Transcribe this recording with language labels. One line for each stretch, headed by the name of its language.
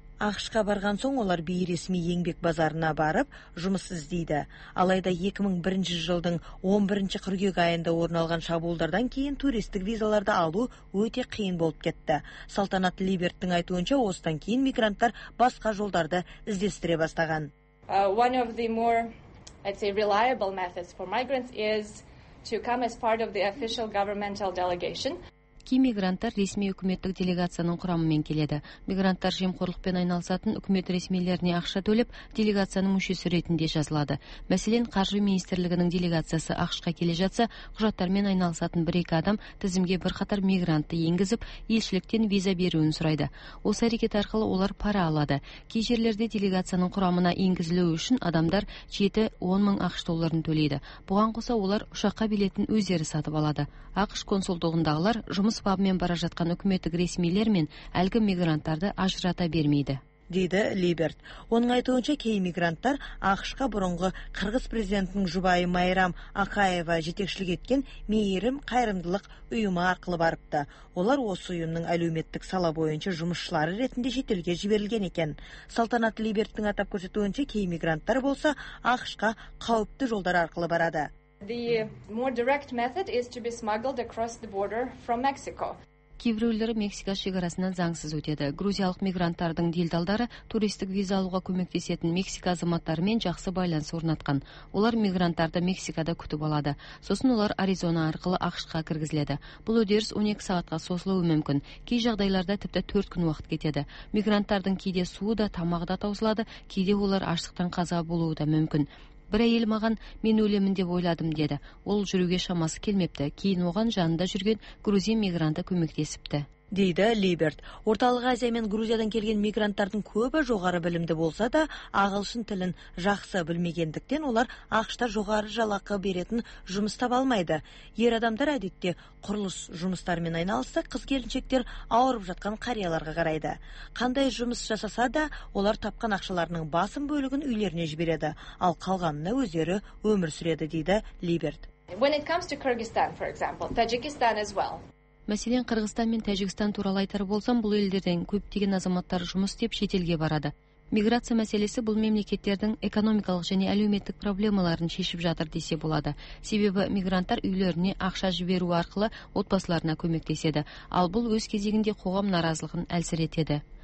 Kazakh: Ақшқа барған соң олар бейресми еңбек базарына барып жұмыс іздейді. Алайда 2001 жылдың 11 қыркүйек айында орын алған шабуылдардан кейін туристік визаларды алу өте қиын болып кетті. Салтанат Либерттің айтуынша, осыдан кейін мигранттар басқа жолдарды іздестіре бастаған.
English: One of the more, I'd say, reliable methods for migrants is to come as part of the official governmental delegation.
Kazakh: Кей мигранттар ресми үкіметтік делегацияның құрамымен келеді. Мигранттар жемқорлықпен айналысатын үкімет ресмилеріне ақша төлеп, делегацияның мүшесі ретінде жазылады. Мәселен, Қаржы министрлігінің делегациясы Ақшқа келе жатса, құжаттармен айналысатын бір-екі адам тізімге бірқатар мигрантты енгізіп, елшіліктен виза беруін сұрайды. Осы әрекет арқылы олар пара алады. Кей жерлерде делегацияның құрамына енгізілуі үшін адамдар 7-10 мың ақш долларын төлейді. Бұған қоса олар ұшаққа билетін өздері сатып алады. Ақш консулдығындағылар жұмыс бабымен бара жатқан үкіметтік ресмилер мен әлгі мигранттарды ажырата бермейді, дейді Либерт. Оның айтуынша, кей мигранттар Ақшқа бұрынғы қырғыз президентінің жұбайы Майрам Ақаева жетекшілік еткен мейірім қайырымдылық ұйымы арқылы барыпты. Олар осы ұйымның әлеуметтік сала бойынша жұмысшылары ретінде шетелге жіберілген екен. Салтанат Либерттің атап көрсетуінше, кей мигранттар болса Ақшқа қауіпті жолдар арқылы барады.
English: The more direct method is to be smuggled across the border from Mexico.
Kazakh: Кейбіреулері Мексика шекарасынан заңсыз өтеді. Грузиялық мигранттардың делдалдары туристік виза алуға көмектесетін Мексика азаматтарымен жақсы байланыс орнатқан. Олар мигранттарды Мексикада күтіп алады. Сосын олар Аризона арқылы Ақшқа кіргізіледі. Бұл үдеріс 12 сағатқа созылуы мүмкін. Кей жағдайларда тіпті 4 күн уақыт кетеді. Мигранттардың кейде суы да, тамағы да таусылады, кейде олар аштықтан қаза болуы да мүмкін. Бір әйел маған, мен өлемін деп ойладым, деді. Ол жүруге шамасы келмепті. Кейін оған жанында жүрген грузин мигранты көмектесіпті, дейді Либерт. Орталық Азия мен Грузиядан келген мигранттардың көбі жоғары білімді болса да, ағылшын тілін жақсы білмегендіктен олар Ақшта жоғары жалақы беретін жұмыс таба алмайды. Ер адамдар әдетте құрылыс жұмыстарымен айналысса, қыз-келіншектер ауырып жатқан қарияларға қарайды. Қандай жұмыс жасаса да, олар тапқан ақшаларының басым бөлігін үйлеріне жібереді, ал қалғанына өздері өмір сүреді, дейді Либерт.
English: When it comes to Kyrgyzstan, for example, Tajikistan as well.
Kazakh: Мәселен, Қырғызстан мен Тәжікстан туралы айтар болсам, бұл елдерден көптеген азаматтар жұмыс істеп шетелге барады. Миграция мәселесі бұл мемлекеттердің экономикалық және әлеуметтік проблемаларын шешіп жатыр десе болады. Себебі мигранттар үйлеріне ақша жіберу арқылы отбасыларына көмектеседі, ал бұл өз кезегінде қоғам наразылығын әлсіретеді.